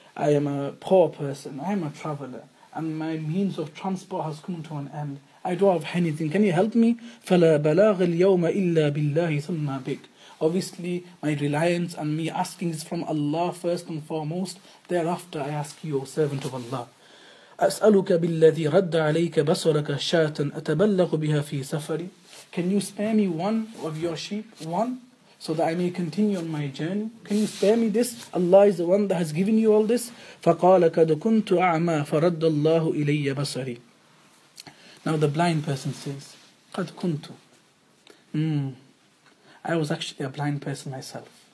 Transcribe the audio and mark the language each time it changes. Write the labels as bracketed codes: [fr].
[en] I am a poor person. I am a traveler. And my means of transport has come to an end. I don't have anything. Can you help me? [ar] فَلَا بَلَاغَ الْيَوْمَ إِلَّا بِاللَّهِ ثُمَّا بِكْ. [en] Obviously, my reliance and me asking is from Allah first and foremost. Thereafter, I ask you, O servant of Allah. [ar] أسألك بالذي رد عليك بصرك شاة أتبلغ بها في سفري. [en] Can you spare me one of your sheep, one, so that I may continue on my journey? Can you spare me this? Allah is the one that has given you all this. [ar] فقال قد كنت أعمى فرد الله إلي بصري. [en] Now the blind person says, [ar] قد كنت. [en] I was actually a blind person myself.